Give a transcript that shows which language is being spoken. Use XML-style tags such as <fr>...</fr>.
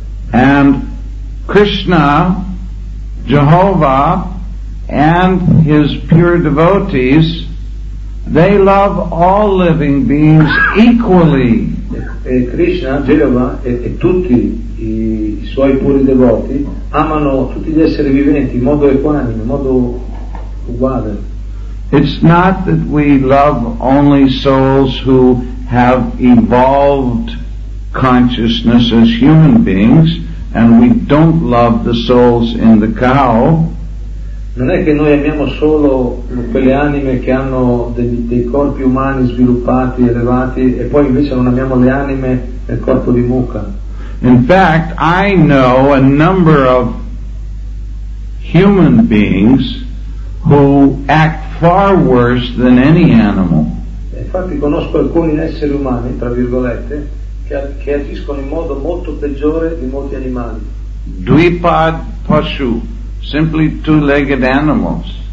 <en>And Krishna, Jehovah, and his pure devotees, they love all living beings equally.</en> <it>E Krishna, Jehovah, e tutti i suoi puri devoti amano tutti gli esseri viventi in modo equanime, in modo uguale.</it> <en>It's not that we love only souls who have evolved consciousness as human beings, and we don't love the souls in the cow.</en> <it>Non è che noi amiamo solo quelle anime che hanno dei corpi umani sviluppati, elevati, e poi invece non amiamo le anime nel corpo di mucca.</it> <en>In fact, I know a number of human beings who act far worse than any animal.</en> <it>Infatti conosco alcuni esseri umani, tra virgolette, che agiscono in modo molto peggiore di molti animali.</it> <sa>Dvipad pashu,</sa> <en>simply two-legged animals.</en>